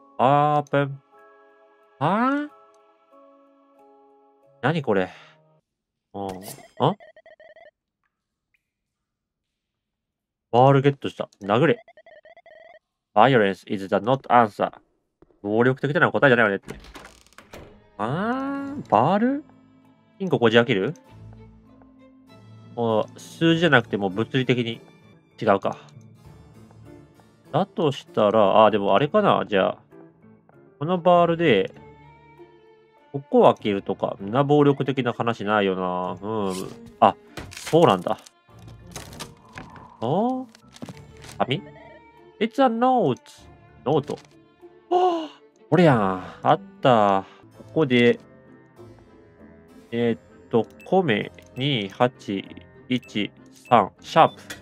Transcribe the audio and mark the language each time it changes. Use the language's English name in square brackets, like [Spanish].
[Japanese] オープン。はぁ？なにこれ？うん。あ？バールゲットした。殴れ。 [English] Violence is the not answer. [Japanese] 暴力的な答えじゃないよねって。あー、バール金庫こじ開けるもう、数字じゃなくても物理的に違うか。だとしたら、あー、でもあれかな。じゃあ、このバールで、ここを開けるとか、みんな暴力的な話ないよな。うん。あ、そうなんだ。あ紙 [English] ?It's a note. [Japanese] ノート。あこれやん。あった。ここで、米2813、シャープ。